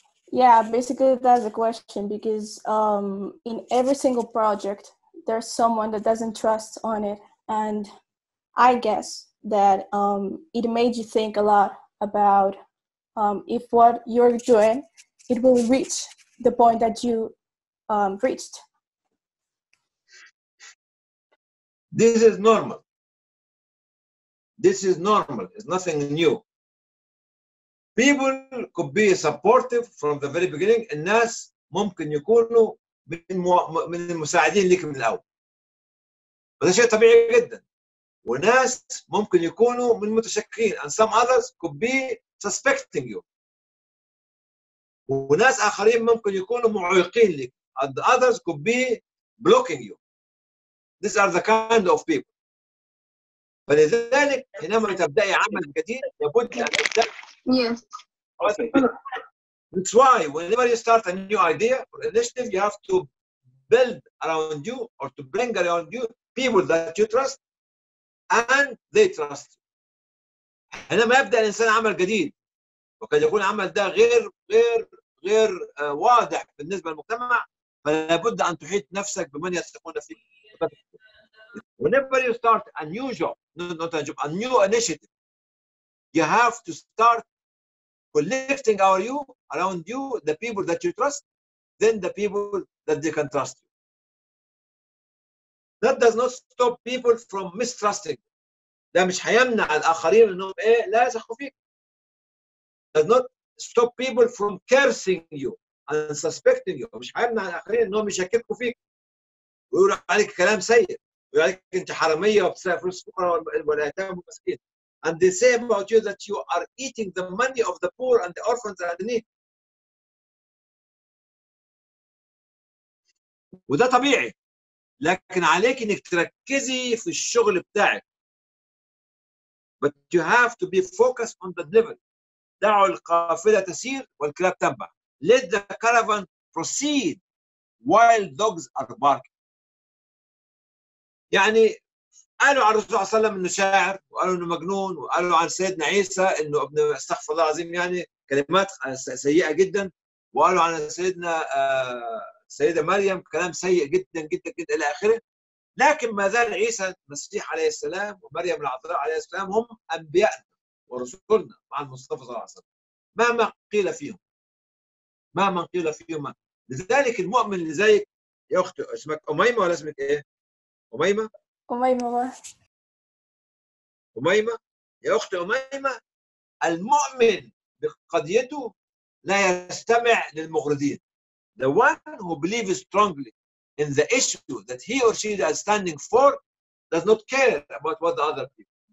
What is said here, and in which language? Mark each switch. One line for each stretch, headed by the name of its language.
English: Yeah, basically that's the question, because in every single project there's someone that doesn't trust on it, and I guess that it made you think a lot about if what you're doing it will reach the point that you reached. This is normal. It's nothing new. People could be supportive from the very beginning.
Arabic: الناس ممكن يكونوا من المساعدين لك من الأول. وده شيء طبيعي جدا. وناس ممكن يكونوا من متشكين
English: and some others could be suspecting you
Arabic: وناس آخرين ممكن يكونوا معيقين لك
English: and others could be blocking you. These are the kind of people.
Arabic: فلذلك حينما تبدأي عمل جديد لابد أن تبدأ.
English: Yes. That's why whenever you start a new idea or initiative, you have to build around you or to bring around you people that you trust and they trust you.
Arabic: حينما يبدأ الإنسان عمل جديد وقد يكون عمل ده غير واضح بالنسبة للمجتمع فلابد أن تحيط نفسك بمن يثقون فيك.
English: Whenever you start a new job, not a job, a new initiative, you have to start collecting our you around you, the people that you trust, then the people that they can trust you. That does not stop people from mistrusting.
Arabic: ده مش هيمنع الآخرين إنهم إيه لا يثقوا فيك.
English: Does not stop people from cursing you and suspecting you.
Arabic: مش هيمنع الآخرين إنهم يشككوا فيك ويقولوا عليك كلام سيء. ولكن انت حراميه وبتصرف فلوس الفقراء واليتامى والمساكين.
English: And they say about you that you are eating the money of the poor and the orphans and the needy.
Arabic: وده طبيعي. لكن عليك انك تركزي في الشغل بتاعك.
English: But you have to be focused on the delivery.
Arabic: دعوا القافله تسير والكلاب تنبح.
English: Let the caravan proceed while dogs are barking.
Arabic: يعني قالوا عن الرسول صلى الله عليه وسلم انه شاعر وقالوا انه مجنون وقالوا عن سيدنا عيسى انه ابن استغفر الله العظيم يعني كلمات سيئه جدا وقالوا عن سيدنا سيده مريم كلام سيء جدا جدا جدا الى اخره لكن ما زال عيسى المسيح عليه السلام ومريم العذراء عليه السلام هم انبياءنا ورسلنا مع المصطفى صلى الله عليه وسلم مهما قيل فيهم لذلك المؤمن اللي زيك يا اختي اسمك اميمه ولا اسمك ايه؟ أميمة يا أختي أميمة المؤمن بقضيته لا يستمع للمغرضين.
English: The one who believes strongly in the issue that he or she is standing for does not care about what the other people.